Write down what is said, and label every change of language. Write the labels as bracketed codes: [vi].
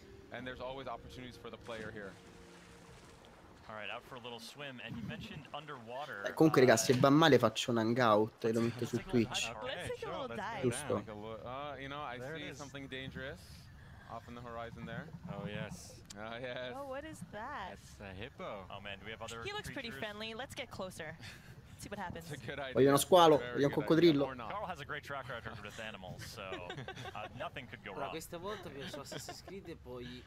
[en] And there's always opportunities for the player here. All right, out for a little swim and you mentioned underwater. [it] Comunque ragazzi, se va male faccio un hangout e lo metto su Twitch. [en] Let's take a little dive. [it] Giusto. [en] You know, I see something dangerous. off in the horizon there. Oh, yes. Oh, yes. Oh, what is that? It's a hippo. Oh, man, do we have other creatures? He looks pretty friendly. Let's get closer. See what happens. [it] Voglio uno squalo, voglio un coccodrillo. [en] Carl has a great track record with animals, so nothing could go wrong. [it] Questa volta che so se si scrive poi